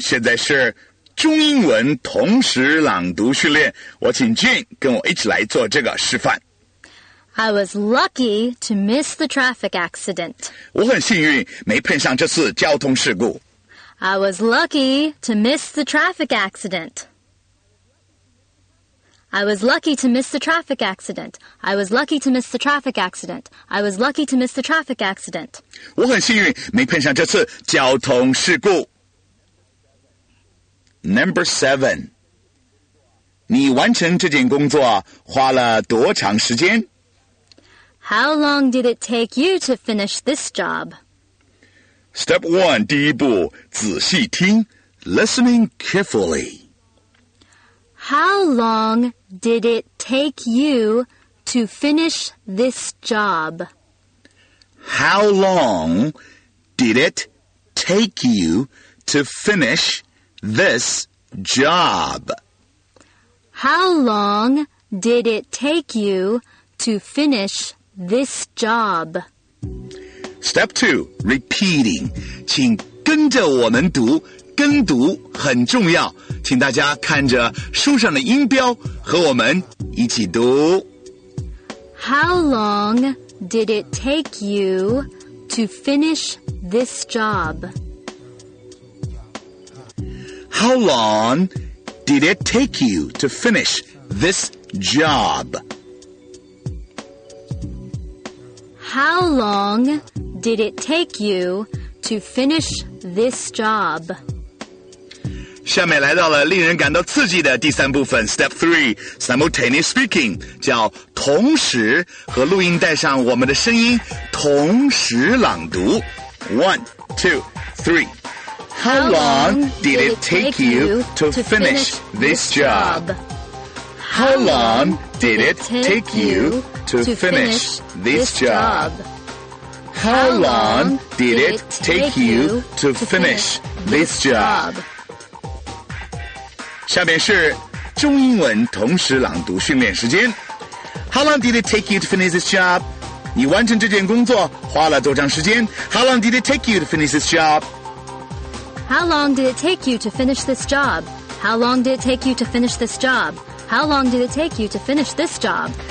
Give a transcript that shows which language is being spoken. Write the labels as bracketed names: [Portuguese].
[Chinese] 现在是中英文同时朗读训练，我请 Jane 跟我一起来做这个示范。 [English] I was lucky to miss the traffic accident. [Chinese] 我很幸运没碰上这次交通事故。 [English] I was lucky to miss the traffic accident. I was lucky to miss the traffic accident. I was lucky to miss the traffic accident. I was lucky to miss the traffic accident. [Chinese] 我很幸运没碰上这次交通事故。 [English] Number 7. [Chinese] 你完成这件工作花了多长时间? [English] How long did it take you to finish this job? Step 1, [Chinese] 第一步,仔细听, [English] listening carefully. How long did it take you to finish this job? How long did it take you to finish this job? Job. How long did it take you to finish this job? Step 2, repeating. [Chinese] 请跟着我们读，跟读很重要。请大家看着书上的音标和我们一起读。 [English] How long did it take you to finish this job? How long did it take you to finish this job? How long did it take you to finish this job? [Chinese] 下面来到了令人感到刺激的第三部分 [English] Step 3 Simultaneous Speaking [Chinese] 叫同时和录音带上我们的声音同时朗读 1, 2, 3 [English] How long did it take you to finish this job? How long did it take you to finish this job? How long did it take you to finish this job? [Chinese] 下面是中英文同时朗读训练时间。 [English] How long did it take you to finish this job? [Chinese] 你完成这件工作花了多长时间 [English] ?How long did it take you to finish this job? How long did it take you to finish this job? How long did it take you to finish this job? How long did it take you to finish this job?